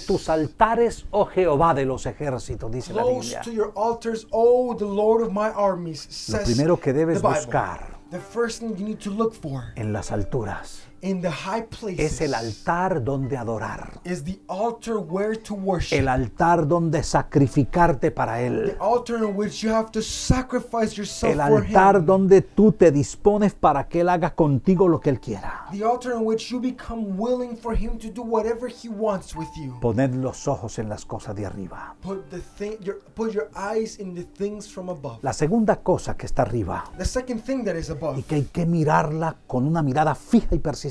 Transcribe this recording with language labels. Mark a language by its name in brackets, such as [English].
[Spanish] De tus altares, oh Jehová de los ejércitos, dice [English] close [Spanish] la Biblia. [English] Close to your altars, oh the Lord of my armies, says the [Spanish] Lo primero que debes buscar. [English] The first thing you need to look for. [Spanish] En las alturas. [English] In the high places. [Spanish] Es el altar donde adorar. [English] Is the altar where to worship. [Spanish] El altar donde sacrificarte para él. [English] The altar in which you have to sacrifice yourself for him. [Spanish] El altar donde tú te dispones para que él haga contigo lo que él quiera. [English] The altar in which you become willing for him to do whatever he wants with you. [Spanish] Poned los ojos en las cosas de arriba. [English] Put your eyes in the things from above. [Spanish] La segunda cosa que está arriba. [English] The second thing that is above. [Spanish] Y que hay que mirarla con una mirada fija y persistente.